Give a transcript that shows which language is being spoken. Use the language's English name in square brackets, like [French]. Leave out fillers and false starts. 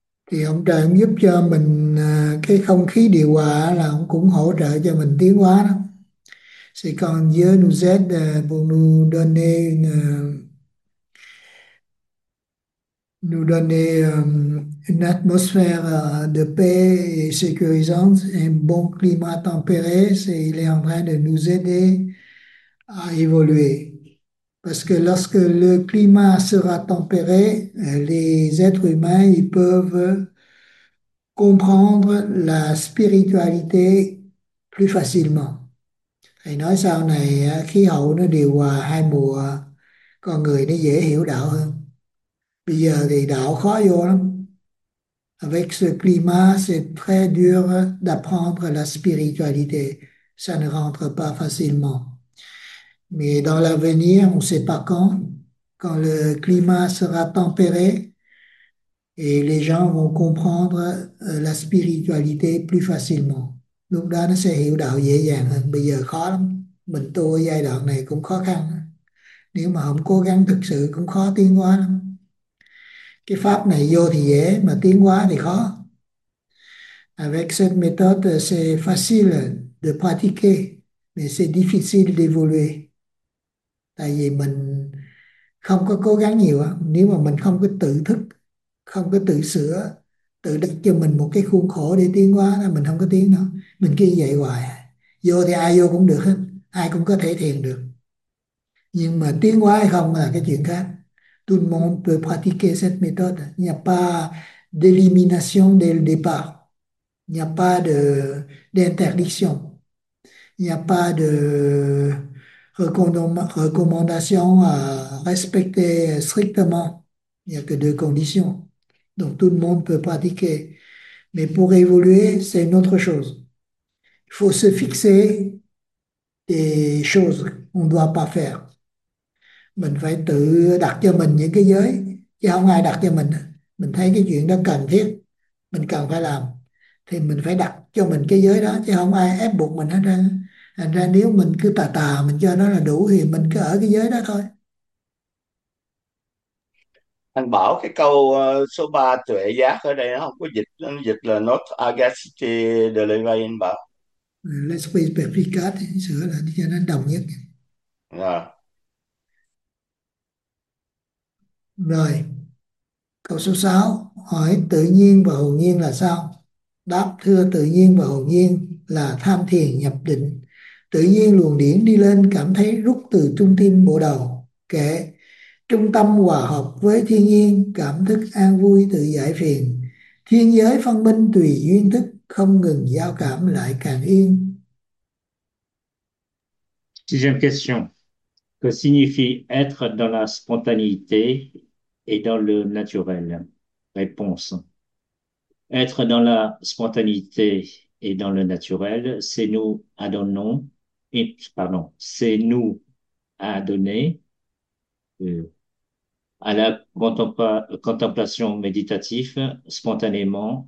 [Vietnamese] Thì ông trời ông giúp cho mình cái không khí điều hòa là ông cũng hỗ trợ cho mình tiến hóa đó. [French] C'est quand Dieu nous aide pour nous donner une atmosphère de paix et sécurisante, un bon climat tempéré, c'est il est en train de nous aider à évoluer. Parce que lorsque le climat sera tempéré, les êtres humains, ils peuvent comprendre la spiritualité plus facilement. [Vietnamese] Thầy nói sau này khí hậu nó điều hòa hai mùa, con người nó dễ hiểu đạo hơn. Bây giờ thì đạo khó vô lắm. [French] Avec ce climat, c'est très dur d'apprendre la spiritualité. Ça ne rentre pas facilement. Mais dans l'avenir, on ne sait pas quand, quand le climat sera tempéré et les gens vont comprendre la spiritualité plus facilement. [Vietnamese] Lúc đó nó sẽ hiểu đạo dễ dàng hơn. Bây giờ khó lắm. Mình tu ở giai đoạn này cũng khó khăn. Nếu mà không cố gắng thực sự cũng khó tiến hóa lắm. Cái pháp này vô thì dễ, mà tiến hóa thì khó. [French] Avec cette méthode, c'est facile de pratiquer, mais c'est difficile d'évoluer. [Vietnamese] Tại vì mình không có cố gắng nhiều á, nếu mà mình không có tự thức, không có tự sửa, tự đặt cho mình một cái khuôn khổ để tiến hóa là mình không có tiến đâu. Mình cứ vậy hoài. Vô thì ai vô cũng được hết, ai cũng có thể thiền được. Nhưng mà tiến hóa hay không là cái chuyện khác. [French] Tout le monde peut pratiquer cette méthode. Il n'y a pas d'élimination dès le départ. Il n'y a pas d'interdiction. Il n'y a pas de recommandation à respecter strictement. Il n'y a que deux conditions. Donc tout le monde peut pratiquer. Mais pour évoluer, c'est une autre chose. Il faut se fixer des choses qu'on ne doit pas faire. [Vietnamese] Mình phải tự đặt cho mình những cái giới chứ không ai đặt cho mình. Mình thấy cái chuyện đó cần thiết, mình cần phải làm thì mình phải đặt cho mình cái giới đó chứ không ai ép buộc mình hết. Thành ra nếu mình cứ tà tà mình cho nó là đủ thì mình cứ ở cái giới đó thôi. Anh bảo cái câu số 3 tuệ giác ở đây nó không có dịch, nó dịch là [English] not agassi delivery [Vietnamese] anh bảo. [English] Let's be perfect, [Vietnamese] sửa là đi cho nó đồng nhất. Rồi. Rồi, câu số 6, hỏi tự nhiên và hồn nhiên là sao? Đáp, thưa, tự nhiên và hồn nhiên là tham thiền nhập định. Tự nhiên luồng điển đi lên cảm thấy rút từ trung tâm bộ đầu, kệ. Trung tâm hòa hợp với thiên nhiên, cảm thức an vui tự giải phiền. Thiên giới phân minh tùy duyên thức, không ngừng giao cảm lại càng yên. [French] Sixième question. Que signifie être dans la spontanéité et dans le naturel? Réponse. Être dans la spontanéité et dans le naturel, c'est nous à donner, pardon, c'est nous à donner à la contemplation méditative spontanément.